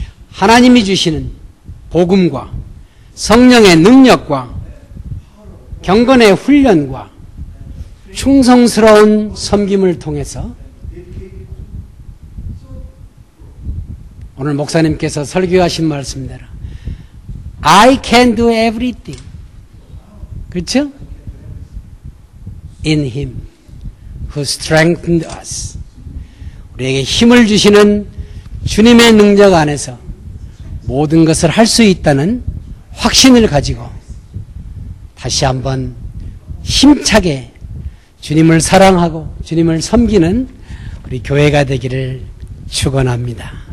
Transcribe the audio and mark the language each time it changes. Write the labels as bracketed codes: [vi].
[ko] 하나님이 주시는 복음과 성령의 능력과 경건의 훈련과 충성스러운 섬김을 통해서 오늘 목사님께서 설교하신 말씀대로 [en] I can do everything. [ko] 그렇죠? [en] In Him who strengthened us. [ko] 우리에게 힘을 주시는 주님의 능력 안에서 모든 것을 할 수 있다는 확신을 가지고 다시 한번 힘차게 주님을 사랑하고 주님을 섬기는 우리 교회가 되기를 축원합니다.